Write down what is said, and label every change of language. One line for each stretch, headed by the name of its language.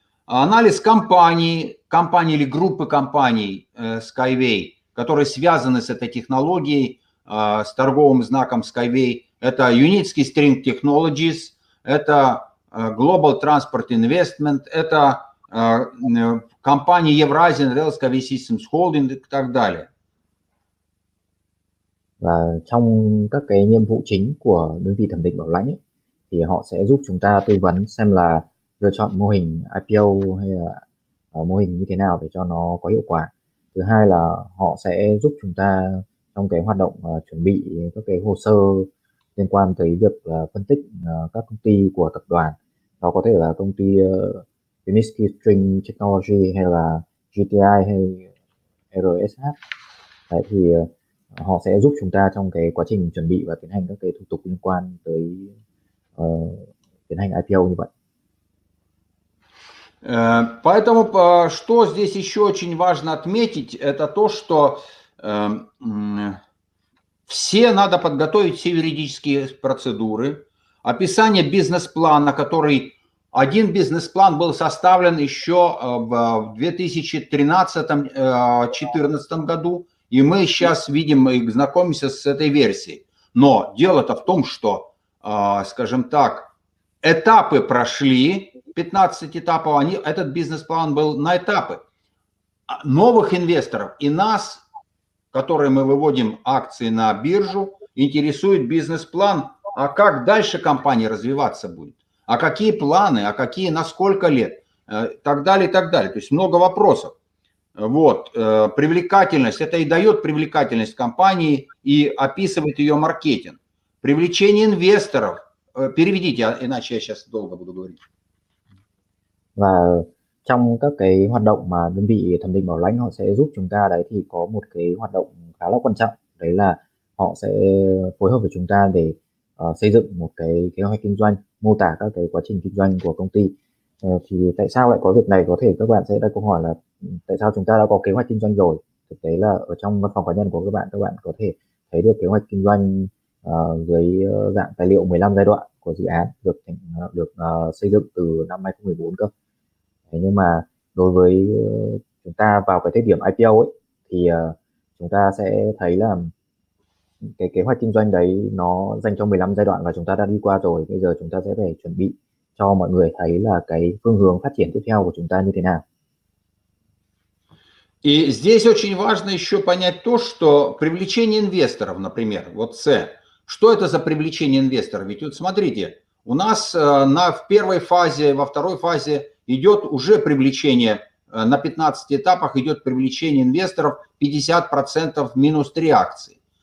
Russian: анализ компании, компании или группы компаний Skyway, которые связаны с этой технологией, с торговым знаком Skyway, это Unitsky String Technologies, это Global Transport Investment, это компании Евразия, Rail Skyway Systems Holding и так далее.
Vietnamese: Và trong các cái nhiệm vụ chính của đơn vị thẩm định bảo lãnh ấy, thì họ sẽ giúp chúng ta tư vấn xem là lựa chọn mô hình IPO hay là mô hình như thế nào để cho nó có hiệu quả. Thứ hai là họ sẽ giúp chúng ta trong cái hoạt động chuẩn bị các cái hồ sơ liên quan tới việc phân tích các công ty của tập đoàn. Đó có thể là công ty Unitsky String Technology hay là GTI hay RSH. Đấy thì họ sẽ giúp chúng ta trong cái quá trình chuẩn bị và tiến hành các cái thủ tục liên quan tới tiến hành IPO như vậy.
Russian: Поэтому что здесь еще очень важно отметить, это то, что все надо подготовить все юридические процедуры, описание бизнес-плана, который один бизнес-план был составлен еще в 2013-14 году. И мы сейчас видим и знакомимся с этой версией. Но дело-то в том, что, скажем так, этапы прошли, 15 этапов, они, этот бизнес-план был на этапы. Новых инвесторов и нас, которые мы выводим акции на биржу, интересует бизнес-план, а как дальше компания развиваться будет, а какие планы, а какие на сколько лет, так далее, так далее. То есть много вопросов. Вот, привлекательность, это и дает привлекательность компании и описывает ее маркетинг. Привлечение инвесторов, переведите, иначе я сейчас долго буду говорить.
Vietnamese: Và trong các cái hoạt động mà đơn vị thẩm định bảo lãnh họ sẽ giúp chúng ta đấy thì có một cái hoạt động khá là quan trọng. Đấy là họ sẽ phối hợp với chúng ta để xây dựng một cái kế hoạch kinh doanh, mô tả các cái quá trình kinh doanh của công ty. Thì tại sao lại có việc này? Có thể các bạn sẽ đặt câu hỏi là tại sao chúng ta đã có kế hoạch kinh doanh rồi? Thực tế là ở trong văn phòng cá nhân của các bạn có thể thấy được kế hoạch kinh doanh dưới dạng tài liệu 15 giai đoạn của dự án được xây dựng từ năm 2014 cơ. Thế nhưng mà đối với chúng ta vào cái thời điểm IPO ấy thì chúng ta sẽ thấy là cái kế hoạch kinh doanh đấy nó dành cho 15 giai đoạn và chúng ta đã đi qua rồi. Bây giờ chúng ta sẽ phải chuẩn bị cho mọi người thấy là cái phương hướng phát triển tiếp theo của chúng ta như thế nào.
Russian: И здесь очень важно еще понять то, что привлечение инвесторов, например, вот С. Что это за привлечение инвесторов? Ведь вот смотрите, у нас в первой фазе, во второй фазе идет уже привлечение, на 15 этапах идет привлечение инвесторов 50% минус 3 акции.